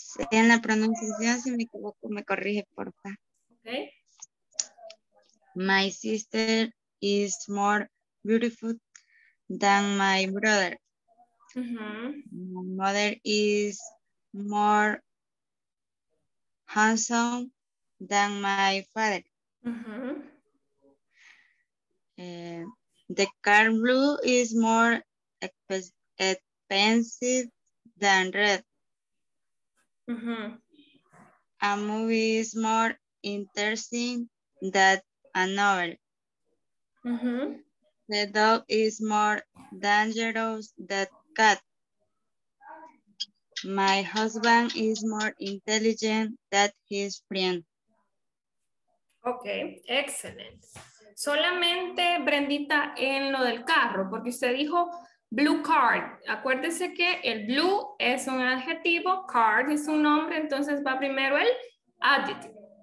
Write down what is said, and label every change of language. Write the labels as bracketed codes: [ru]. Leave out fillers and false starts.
[es] En la pronunciación, si me equivoco, me corrige, por favor. [en] Okay. My sister is more beautiful than my brother. Mm-hmm. My mother is more handsome than my father. Mm-hmm. The car blue is more expensive than red. Mm-hmm. A movie is more interesting than a novel. Mm-hmm. The dog is more dangerous than cat. My husband is more intelligent than his friend. Okay, excellent. [es] Solamente, Brendita, en lo del carro, porque usted dijo [en] blue car. [es] Acuérdese que el blue es un adjetivo, car es un nombre, entonces va primero el adjetivo.